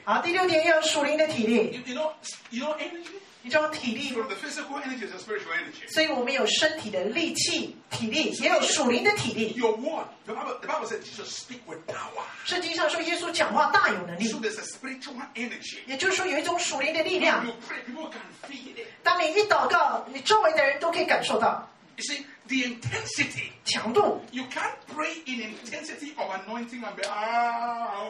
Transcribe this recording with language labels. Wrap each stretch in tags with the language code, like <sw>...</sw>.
<zh>好，第六点要属灵的体力。</zh> <en>You know energy?</en> <zh>你知道体力。</zh> <en>From the physical energy to spiritual energy.</en> <zh>所以我们有身体的力气、体力，也有属灵的体力。</zh> <en>Your word, the Bible says Jesus speak with power.</en> <zh>圣经上说耶稣讲话大有能力。</zh> <en>So there's a spiritual energy.</en> <zh>也就是说有一种属灵的力量。</zh> <en>When you pray, people can feel it.</en> <zh>当你一祷告，你周围的人都可以感受到。</zh> <en>You see, the intensity.</en> <zh>强度</zh> <en>You can't pray in intensity of anointing and be, ah.</en>